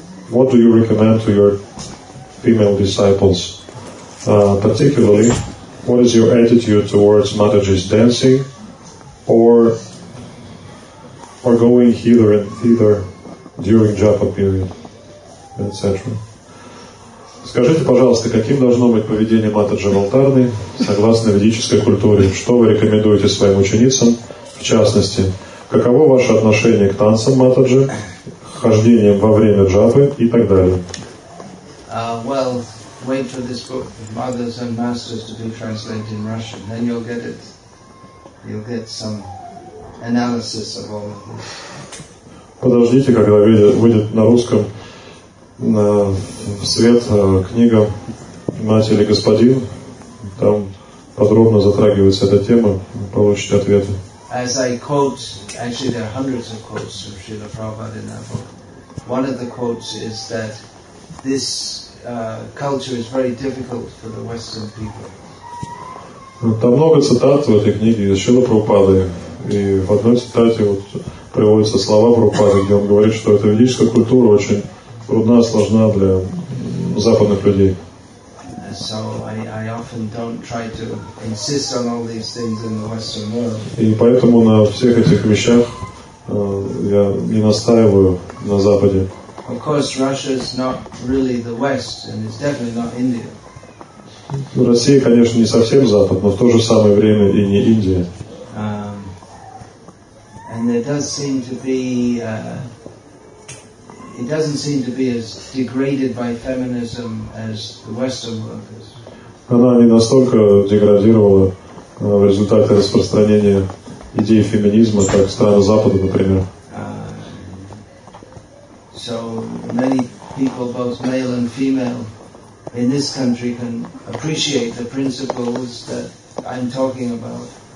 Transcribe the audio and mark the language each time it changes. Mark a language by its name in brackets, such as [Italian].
[English] What do you recommend to your female disciples? Particularly, what is your attitude towards Matajis dancing or going hither and thither during japa period, etc. [Russian] Скажите, пожалуйста, каким должно быть поведение Матаджи в алтарной согласно ведической культуре? Что вы рекомендуете своим ученицам? В частности, каково ваше отношение к танцам Матаджи, хождением во время джапы и так далее? [English] Well, wait for this book, Mothers and Masters, to be translated in Russian. Then you'll get it. You'll get some analysis of all of this. [Russian] Подождите, когда выйдет на русском в свет книга «Матери господин». Там подробно затрагивается эта тема, получите ответы. [English] As I quote, actually there are hundreds of quotes from Srila Prabhupada in that book. One of the quotes is that this culture is very difficult for the Western people. [Russian] Там много цитат в этой книге из Шрилы Прабхупады. И в одной цитате вот приводятся слова Прабхупады, где он говорит, что эта ведическая культура очень трудна, сложна для западных людей. [English] So I often don't try to insist on all these things in the Western world. [Russian] И поэтому на всех этих вещах я не настаиваю на Западе. [English] Of course, Russia is not really the West, and it's definitely not India. [Russian] Россия, конечно, не совсем Запад, но в то же самое время и не Индия. [English] And there does seem to be it doesn't seem to be as degraded by feminism as the Western world is. [Russian] Она не настолько деградировала в результате распространения идей феминизма, как страны Запада, например. [English] So many people, both male and female, in this country can appreciate the principles that I'm talking about.